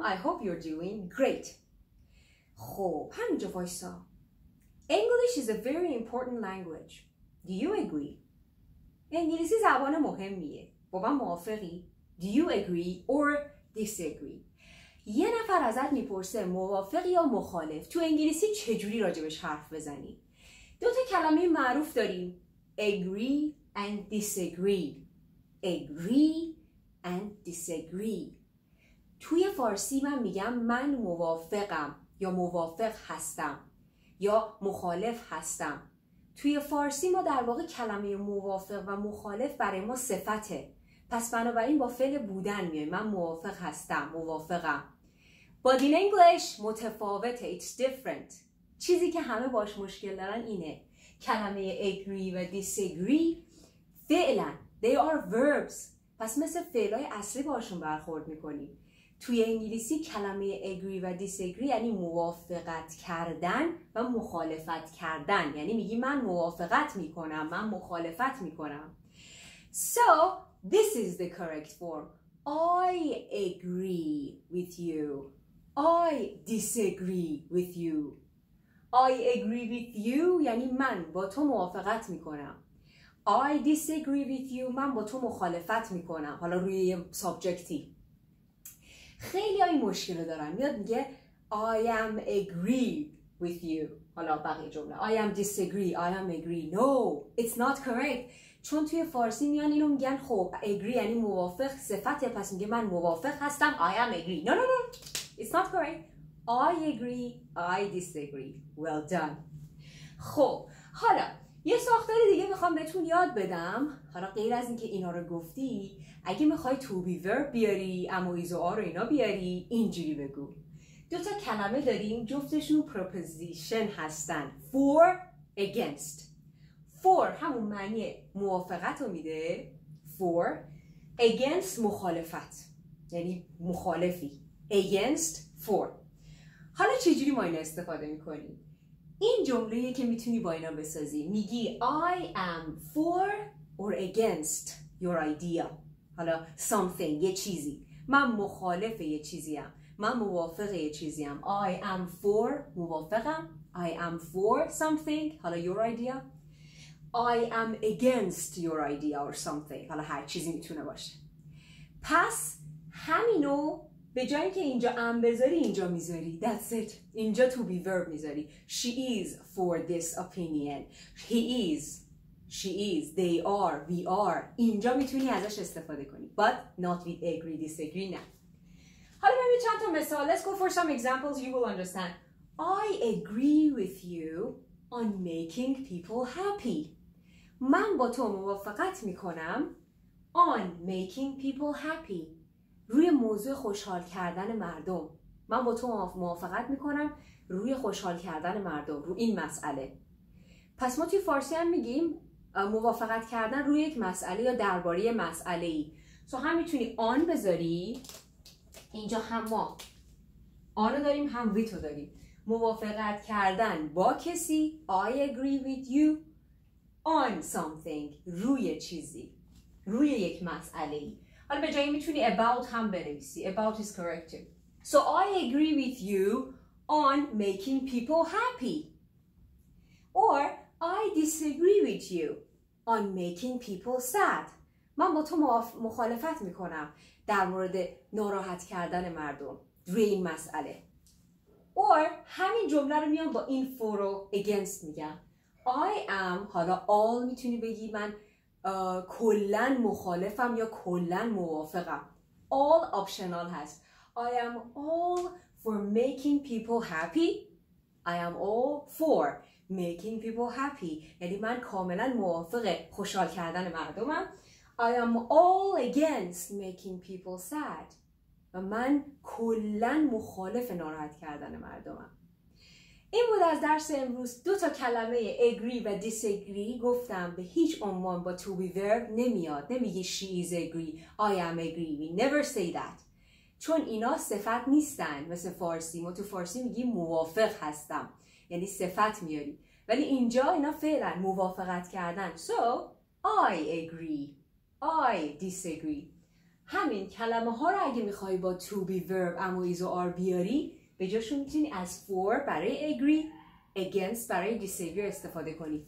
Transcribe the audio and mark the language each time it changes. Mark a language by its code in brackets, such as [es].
[en] I hope you're doing great. [fa] خب همینجا وایسا. [en] English is a very important language. Do you agree? [fa] انگلیسی زبان مهمیه. بابا موافقی؟ [en] Do you agree or disagree? [fa] یه نفر ازت میپرسه موافقی یا مخالف. تو انگلیسی چجوری راجبش حرف بزنی؟ دو تا کلمه معروف داریم. [en] Agree and disagree. Agree and disagree. [fa] توی فارسی من میگم من موافقم یا موافق هستم یا مخالف هستم. توی فارسی ما در واقع کلمه موافق و مخالف برای ما صفته. پس بنابراین با فعل بودن میای. من موافق هستم، موافقم. [en] But in English [fa] متفاوته. [en] It's different. [fa] چیزی که همه باش مشکل دارن اینه. کلمه agree و disagree فعلن. [en] They are verbs. [fa] پس مثل فعلای اصلی باشون برخورد میکنی. توی انگلیسی کلمه agree و disagree یعنی موافقت کردن و مخالفت کردن. یعنی میگی من موافقت میکنم، من مخالفت میکنم. [en] So, this is the correct form. I agree with you. I disagree with you. I agree with you [fa] یعنی من با تو موافقت میکنم. [en] I disagree with you. [fa] من با تو مخالفت میکنم. حالا روی یه سابجکتی. خیلی ها این مشکل رو دارن. میاد میگه [en] I am agree with you. [fa] حالا بقیه جمله. [en] I am disagree. I am agree. No. It's not correct. [fa] چون توی فارسی میان اینو میگن خب agree یعنی موافق صفته. پس میگه من موافق هستم. [en] I am agree. No, no, no. It's not correct. I agree. I disagree. Well done. [fa] خب. حالا. یه ساختار دیگه میخوام بهتون یاد بدم. حالا غیر از اینکه اینا رو گفتی، اگه میخوای to be verb بیاری، am و is و are و اینا بیاری، اینجوری بگو. دو تا کلمه داریم، جفتشون preposition هستن. [en] For against. [fa] For همون معنی موافقت رو میده. For against مخالفت. یعنی مخالفی. Against for. حالا چجوری ما اینا استفاده میکنیم؟ این جمله‌ایه که میتونی با اینا بسازی. [en] میگی I am for or against your idea. [fa] حالا something یه چیزی. من مخالف یه چیزیم. من موافق یه چیزیم. [en] I am for [fa] موافقم. [en] I am for something. حالا your idea. I am against your idea or something. [fa] حالا هر چیزی میتونه باشه. پس همینو به جایی که اینجا ام بذاری اینجا میذاری. [en] That's it. [fa] اینجا to be verb میذاری. [en] She is for this opinion. He is. She is. They are. We are. [fa] اینجا میتونی ازش استفاده کنی. [en] But not with agree, disagree. [fa] نه. حالا من به چند تا مثال. [en] Let's go for some examples. You will understand. I agree with you on making people happy. [fa] من با تو موافقت میکنم [en] on making people happy. [fa] روی موضوع خوشحال کردن مردم. من با تو موافقت میکنم روی خوشحال کردن مردم. روی این مسئله. پس ما توی فارسی هم میگیم موافقت کردن روی یک مسئله یا درباره مسئله ای. تو هم میتونی آن بذاری. اینجا هم ما آنو داریم هم ویتو داریم. موافقت کردن با کسی. [en] I agree with you on something. [fa] روی چیزی. روی یک مسئله ای. حالا به جایی میتونی about هم بنویسی. [en] About is correct. So I agree with you on making people happy. Or I disagree with you on making people sad. [fa] من با تو مخالفت میکنم در مورد ناراحت کردن مردم. روی این مسئله. Or همین جمله رو میام با این for و against میگم. I am, حالا all میتونی بگی من کلن مخالفم یا کلن موافقم. [en] All optional هست. I am all for making people happy. I am all for making people happy. [fa] یعنی من کاملا موافق خوشحال کردن مردمم. [en] I am all against making people sad. [fa] و من کلن مخالف ناراحت کردن مردمم. این بود از درس امروز. دو تا کلمه agree و disagree گفتم به هیچ عنوان با to be verb نمیاد. نمیگی [en] she is agree, I am agree. We never say that. [fa] چون اینا صفت نیستن مثل فارسی. ما تو فارسی میگیم موافق هستم. یعنی صفت میاری. ولی اینجا اینا فعلا موافقت کردن. [en] So, I agree. I disagree. [fa] همین کلمه ها رو اگه میخوای با to be verb am و is و are بیاری، به جاشون میتونی از for برای agree، against برای disagree استفاده کنی.